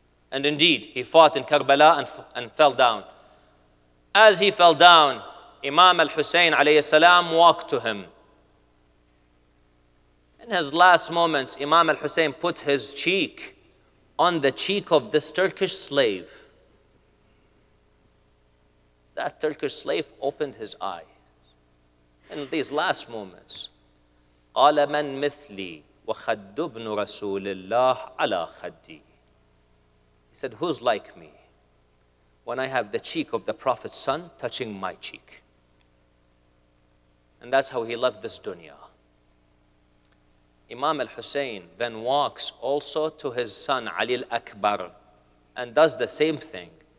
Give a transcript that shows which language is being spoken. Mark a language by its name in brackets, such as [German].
[English] And indeed, he fought in Karbala and fell down. As he fell down, Imam al-Hussein alayhi salam walked to him. In his last moments, Imam al-Hussein put his cheek on the cheek of this Turkish slave. That Turkish slave opened his eye. In these last moments, [Arabic] قَالَ مَنْ مِثْلِي وَخَدُّ بْنُ رَسُولِ اللَّهِ عَلَىٰ خَدِّي. [English] He said, who's like me when I have the cheek of the Prophet's son touching my cheek? And that's how he left this dunya. Imam al-Hussein then walks also to his son Ali al-Akbar and does the same thing.